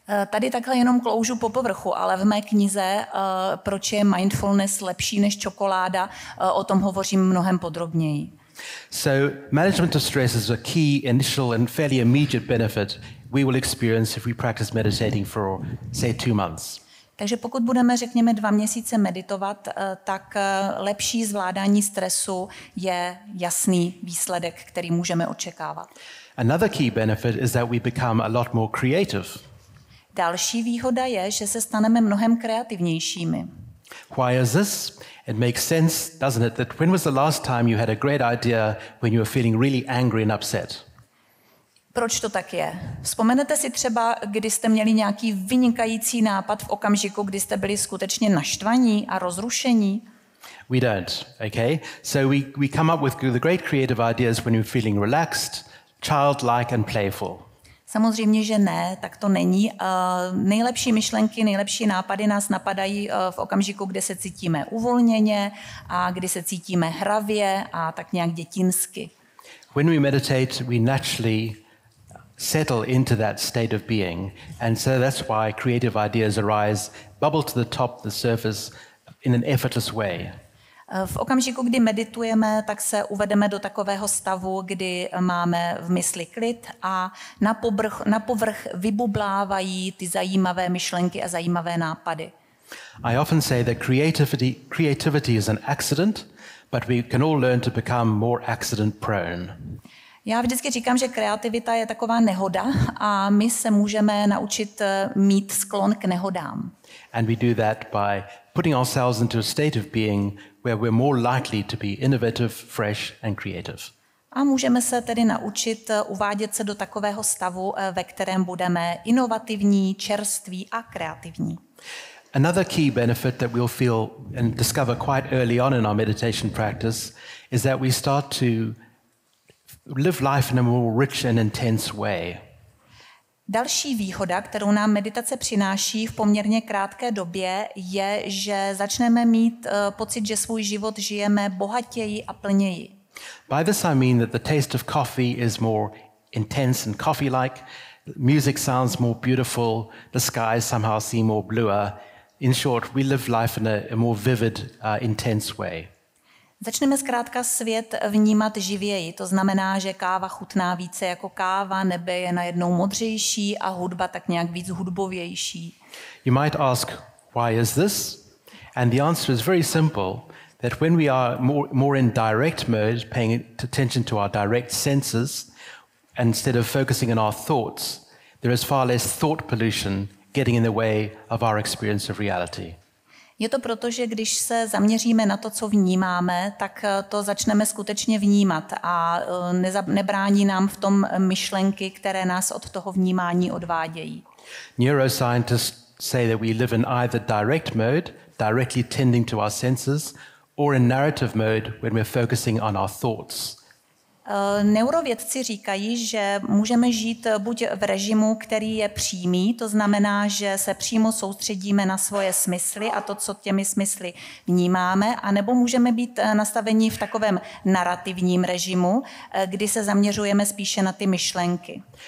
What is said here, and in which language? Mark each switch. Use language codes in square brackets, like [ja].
[cs] Tady takhle jenom kloužu po povrchu, ale v mé knize Proč je mindfulness lepší než čokoláda, o tom hovořím mnohem podrobněji. [en] So, management of stress is a key initial and fairly immediate benefit we will experience if we practice meditating for say 2 months. [cs] Takže pokud budeme, řekněme, 2 měsíce meditovat, tak lepší zvládání stresu je jasný výsledek, který můžeme očekávat. [en] Another key benefit is that we become a lot more creative. [cs] Další výhoda je, že se staneme mnohem kreativnějšími. [en] Why is this? It makes sense, doesn't it, that when was the last time you had a great idea when you were feeling really angry and upset? [cs] Proč to tak je? Vzpomenete si třeba, kdy jste měli nějaký vynikající nápad v okamžiku, kdy jste byli skutečně naštvaní a rozrušení? [en] We don't, okay? So we come up with the great creative ideas when you're feeling relaxed, childlike and playful. [cs] Samozřejmě, že ne, tak to není. Nejlepší myšlenky, nejlepší nápady nás napadají v okamžiku, kde se cítíme uvolněně a kdy se cítíme hravě a tak nějak dětinsky. [en] When we meditate, we naturally settle into that state of being, and so that's why creative ideas arise, bubble to the top, the surface, in an effortless way. [cs] V okamžiku, kdy meditujeme, tak se uvedeme do takového stavu, kdy máme v mysli klid a na povrch vybublávají ty zajímavé myšlenky a zajímavé nápady. [en] I often say that creativity is an accident, but we can all learn to become more accident prone. [cs] Já vždycky říkám, že kreativita je taková nehoda a my se můžeme naučit mít sklon k nehodám. [en] And we do that by putting ourselves into a state of being where we're more likely to be innovative, fresh and creative. [cs] A můžeme se tedy naučit uvádět se do takového stavu, ve kterém budeme inovativní, čerství a kreativní. [en] Another key benefit that we'll feel and discover quite early on in our meditation practice is that we start to live life in a more rich and intense way. [cs] Další výhoda, kterou nám meditace přináší v poměrně krátké době, je, že začneme mít pocit, že svůj život žijeme bohatěji a plněji. [en] By this I mean that the taste of coffee is more intense and coffee-like, music sounds more beautiful, the skies somehow seem more bluer. In short, we live life in a more vivid, intense way. [cs] Začneme zkrátka svět vnímat živěji, to znamená, že káva chutná více jako káva, nebe je najednou modřejší a hudba tak nějak víc hudbovější. [en] You might ask, why is this? And the answer is very simple, that when we are more in direct mode, paying attention to our direct senses, instead of focusing on our thoughts, there is far less thought pollution getting in the way of our experience of reality. [cs] Je to proto, že když se zaměříme na to, co vnímáme, tak to začneme skutečně vnímat a nebrání nám v tom myšlenky, které nás od toho vnímání odvádějí. [en] Neuroscientists say that we live in either direct mode, directly tending to our senses, or in narrative mode, when we're focusing on our thoughts. [cs] Neurovědci říkají, že můžeme žít buď v režimu, který je přímý, to znamená, že se přímo soustředíme na svoje smysly a to, co těmi smysly vnímáme, anebo můžeme být nastaveni v takovém narrativním režimu, kdy se zaměřujeme spíše na ty myšlenky.